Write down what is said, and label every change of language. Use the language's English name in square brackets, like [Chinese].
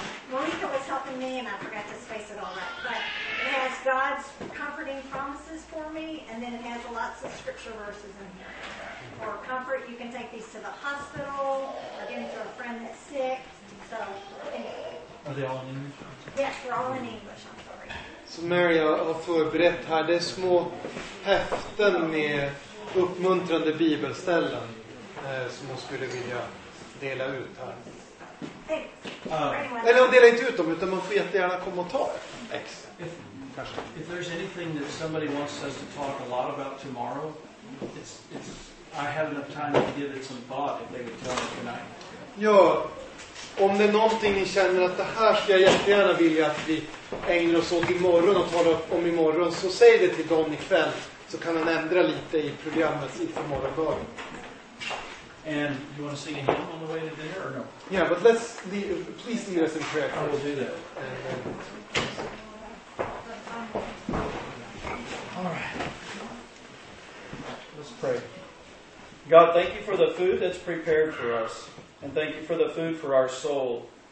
[English] Monica was helping me, and I forgot to space it all right. But it has God's comforting promises for me, and then it has lots of scripture verses in here. For comfort, you can take these to the hospital, or give them to a friend that's sick. So, anyway. Are they all in English? Yes, we're all in English, I'm sorry. [Swedish] Så Mary har förberett här, det är små häften med uppmuntrande bibelställen som hon skulle vilja dela ut här. [English] Thanks. [Swedish] Eller att dela inte ut dem, utan man får jättegärna komma och ta det. [English] If there's anything that somebody wants us to talk a lot about tomorrow, it's I have enough time to give it some thought if they would tell me tonight. [Swedish] Ja, om det är någonting ni känner att det här skulle jag jättegärna vilja att vi ägnar oss åt imorgon och talar om imorgon, så säg det till Don ikväll, så kan han ändra lite i programmet inför morgondagen. [English] And you want to sing a hymn on the way to dinner or no? Yeah, but let's leave, please lead us in prayer. I will do that. All right. Let's pray. God, thank you for the food that's prepared for us. And thank you for the food for our soul.